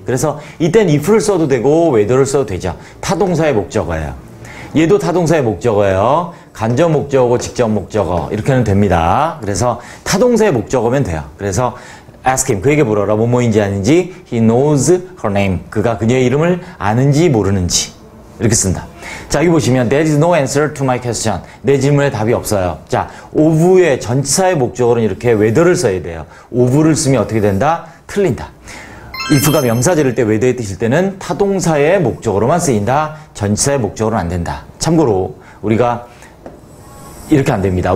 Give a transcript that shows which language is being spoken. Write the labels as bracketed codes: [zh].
[ko] 그래서 이땐 if를 써도 되고 whether를 써도 되죠. 타동사의 목적어예요. 얘도 타동사의 목적어예요. 간접 목적어, 직접 목적어, 이렇게는 됩니다. 그래서 타동사의 목적어면 돼요. 그래서 [en] ask him, [ko] 그에게 물어라. 뭐뭐인지 아닌지. [en] He knows her name. [ko] 그가 그녀의 이름을 아는지 모르는지, 이렇게 쓴다. 자, 여기 보시면 [en] there is no answer to my question. [ko] 내 질문에 답이 없어요. 자, of의 전치사의 목적으로는 이렇게 whether를 써야 돼요. of를 쓰면 어떻게 된다? 틀린다. if가 명사절일 때, whether의 뜻일 때는 타동사의 목적으로만 쓰인다. 전치사의 목적으로는 안 된다. 참고로 우리가 이렇게 안 됩니다.